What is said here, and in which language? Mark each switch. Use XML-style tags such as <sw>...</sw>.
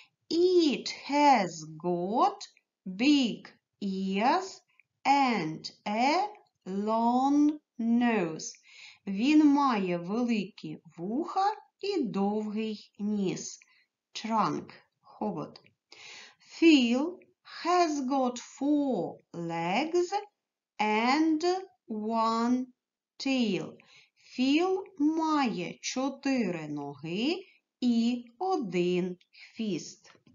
<en>It has got big ears and a long nose.</en> <uk>Він має великі вуха і довгий ніс.</uk> <en>Trunk,</en> <uk>хобот.</uk> <en>Phil has got four legs and one tail.</en> <uk>Phil має чотири ноги і один хвіст.</uk>